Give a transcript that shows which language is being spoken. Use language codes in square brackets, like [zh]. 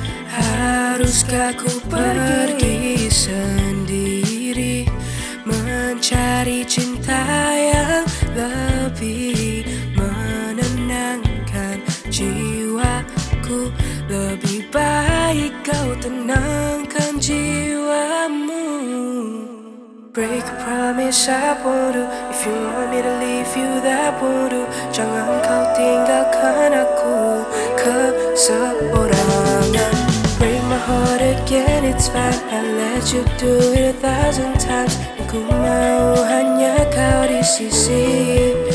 [ms] Haruskah ku pergi sendiri mencari cinta yang lebih menenangkan jiwaku? Lebih baik kau tenangkan jiwamu. [en] Break a promise, I won't do. If you want me to leave you, that won't do. [ms] Jangan kau tinggalkan aku keseorangan. [en] Break my heart again, it's fine. I'll let you do it a thousand times. [ms] Ku mau hanya kau di sisi.